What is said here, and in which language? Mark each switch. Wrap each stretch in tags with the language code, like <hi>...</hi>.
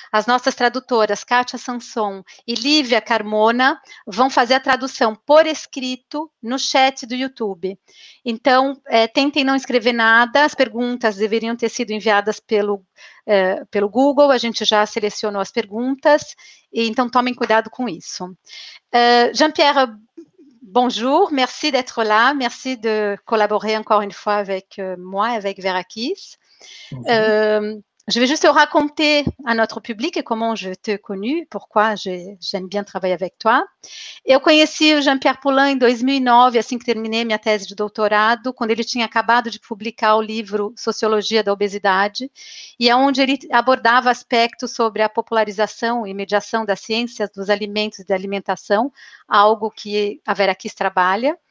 <pt>As nossas tradutoras, Kátia Sanson e Lívia Carmona, vão fazer a tradução por escrito no chat do YouTube. Então, tentem não escrever nada, as perguntas deveriam ter sido enviadas pelo Google, a gente já selecionou as perguntas, então tomem cuidado com isso.</pt> <fr>Jean-Pierre, bonjour, merci d'être là, merci de collaborer encore une fois avec moi, avec Verakis. Je vais juste te raconter à notre public comment je t'ai connu, pourquoi j'aime bien travailler avec toi.</fr> <pt>Eu conheci o Jean-Pierre Poulin em 2009, assim que terminei minha tese de doutorado, quando ele tinha acabado de publicar o livro Sociologia da Obesidade, e é onde ele abordava aspectos sobre a popularização e mediação das ciências dos alimentos e da alimentação, algo que a Verakis trabalha.</pt>